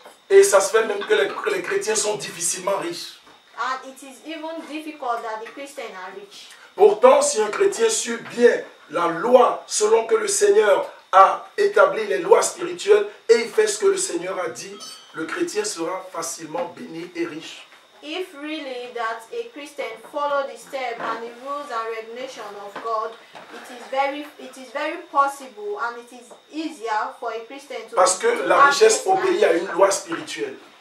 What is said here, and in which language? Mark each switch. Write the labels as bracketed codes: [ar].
[fr] Et ça se fait même que les chrétiens sont difficilement riches. [en] And it is even difficult that the Christians are rich. [fr] Pourtant, si un chrétien suit bien la loi selon que le Seigneur a établi les lois spirituelles et il fait ce que le Seigneur a dit, le chrétien sera facilement béni et riche. [en] if really that a Christian follow the step and the rules and regulation of God, it is very possible and it is easier for a Christian to. [fr] Parce que la richesse obéit à une loi spirituelle.